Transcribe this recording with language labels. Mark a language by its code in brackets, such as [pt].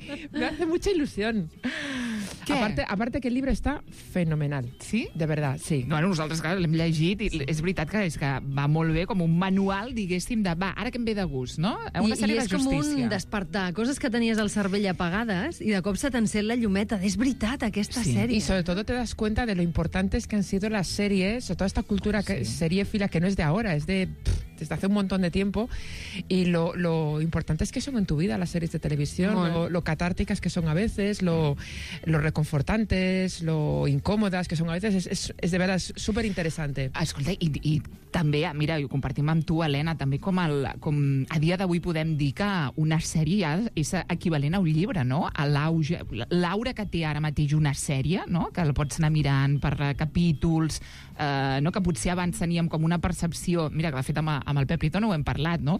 [es] Me hace mucha ilusión. [ca] Aparte, aquest llibre està fenomenal. Sí? De veritat, sí. Bueno, nosaltres clar, l'hem llegit i sí. És veritat que és que va molt bé, com un manual, diguéssim, de va, ara que em ve de gust, no? Una sèrie de justícia. I és com un despertar. Coses que tenies al cervell apagades i de cop se t'encén la llumeta. És veritat, aquesta sí. Sèrie. I sobretot [es] te das cuenta de lo importantes que han sido las series, toda esta cultura que, sí. Seriéfila, que no es de ahora, es de... desde hace un montón de tiempo, y lo importante es que son en tu vida las series de televisión, lo catárticas que son a veces, lo reconfortantes, lo incómodas que son a veces, es de verdad súper interesante. [ca] Escolta, i també, mira, ho compartim amb tu, Elena, també com a dia d'avui podem dir que una sèrie és equivalent a un llibre, no? A l'auge, l'aura que té ara mateix una sèrie, no? Que la pots anar mirant per capítols, no? Que potser abans teníem com una percepció, mira, que de fet amb el Pep Prieto no ho hem parlat, no?